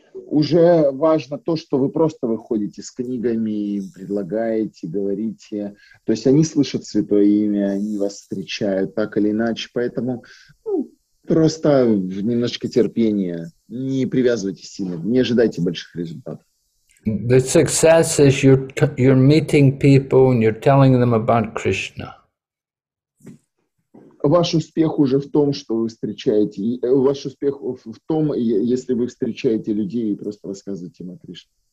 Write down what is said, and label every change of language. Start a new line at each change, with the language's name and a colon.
Russian: Уже важно то, что вы просто выходите с книгами, предлагаете, говорите. То есть они слышат святое имя, они вас встречают так или иначе. Поэтому, ну, просто немножечко терпения. Не привязывайтесь сильно, не ожидайте больших результатов.
English: The success is you're meeting people and you're telling them about Krishna.
Russian: Ваш успех уже в том, что вы встречаете. Ваш успех в том, если вы встречаете людей и просто рассказываете им о Кришне.